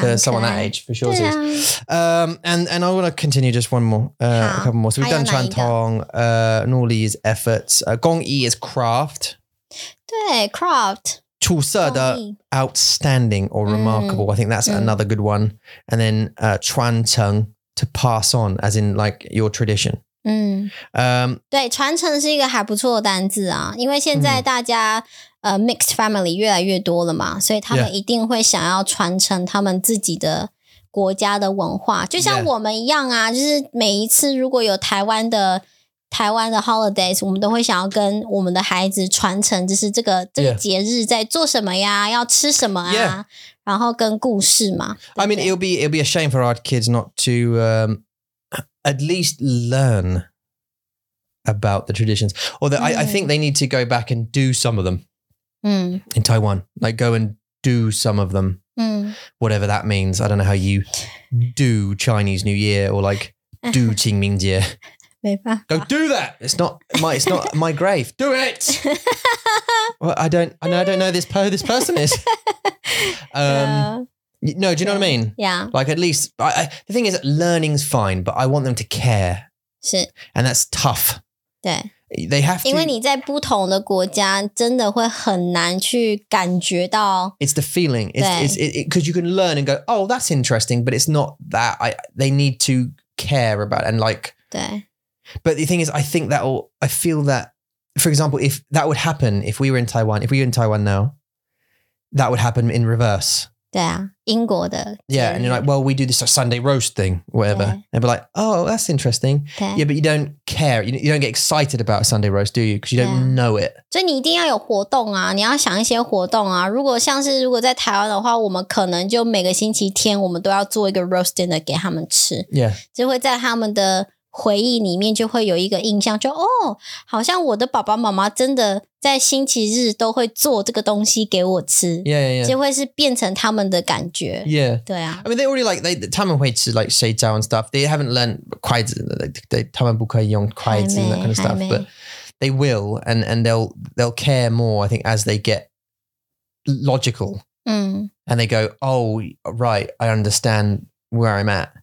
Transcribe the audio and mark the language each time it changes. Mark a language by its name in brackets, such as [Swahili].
[English] for someone that age, for sure. It is. And I want to continue just one more, a couple more. So we've done 传统, Nuli's efforts. 工艺 is craft. 对, craft. 出色的 outstanding or remarkable. I think that's another good one. And then 传承 to pass on, as in like your tradition. [Chinese] 对传承是一个还不错的单字啊因为现在大家 [English] mixed family [Chinese] 越来越多了嘛所以他们一定会想要传承他们自己的国家的文化。就像我们一样啊就是每一次如果有台湾的 holidays, 我们都会想要跟我们的孩子传承就是这个节日在做什么呀要吃什么啊、yeah. 然后跟故事嘛。对对 [English] I mean, it'll be a shame for our kids not to, at least learn about the traditions. Although I think they need to go back and do some of them. In Taiwan. Like go and do some of them. Whatever that means. I don't know how you do Chinese New Year or like do Qingming Jie. Go do that. It's not my grave. Do it. Well, I don't know this person is. Yeah. No, do you know what I mean? Yeah. Like at least, the thing is, learning's fine, but I want them to care. [Chinese] 是. [English] And that's tough. [Chinese] 对. [English] They have to. [Chinese] 因为你在不同的国家真的会很难去感觉到. [English] It's the feeling. It's because you can learn and go, oh, that's interesting, but it's not that. They need to care about it and like. 对. But the thing is, I feel that, for example, if that would happen, if we were in Taiwan now, that would happen in reverse. [Chinese] 对啊,英国的。 [English] Yeah, and you're like, well, we do this Sunday roast thing, whatever. And be like, oh, that's interesting. Yeah, but you don't care. You don't get excited about a Sunday roast, do you? Because you don't know it. [Chinese] 所以你一定要有活动啊,你要想一些活动啊。如果像是如果在台湾的话,我们可能就每个星期天,我们都要做一个 roast dinner 给他们吃。 [English] Yeah. [Chinese] 就会在他们的回忆里面就会有一个印象就哦好像我的爸爸妈妈真的在星期日都会做这个东西给我吃 [English] yeah, yeah, yeah. [Chinese] 就会是变成他们的感觉 [English] yeah. [Chinese] 对啊 [English] I mean they already like [Chinese] 他们会吃 [English] like 水饺 and stuff they haven't learned 筷子 [Chinese] 他们不可以用筷子 [English] and that kind of stuff but they will and they'll care more I think as they get logical and they go oh right I understand where I'm at